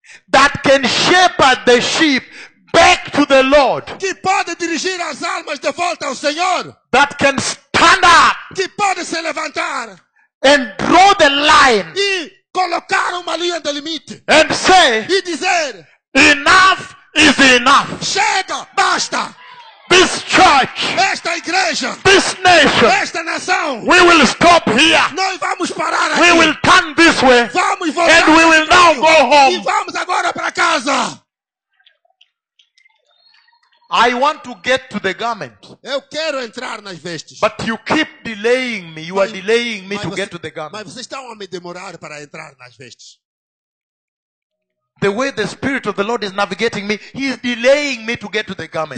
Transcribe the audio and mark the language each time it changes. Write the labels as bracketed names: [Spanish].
[English] That can shepherd the sheep back to the Lord. [Portuguese] Que pode dirigir as almas de volta ao Senhor? [English] That can stand up. [Portuguese] Que pode se levantar? [English] And draw the line. [Portuguese] E colocar uma linha de limite. [English] And say. [Portuguese] E dizer. [English] Enough is enough. [Portuguese] Chega, basta. [English] This church. [Portuguese] Esta igreja. [English] This nation. [Portuguese] Esta nação. [English] We will stop here. [Portuguese] Nós vamos parar aqui. [English] We will turn this way. [Portuguese] Vamos voltar. [English] And we will now go home. [Portuguese] E vamos agora para casa. [English] I want to get to the garment. [Portuguese] Eu quero entrar nas vestes. [English] But you keep delaying me. You are delaying me to get to the garment. [Portuguese] Mas vocês estão a me demorar para entrar nas vestes. [English] The way the Spirit of the Lord is navigating me, He is delaying me to get to the garment.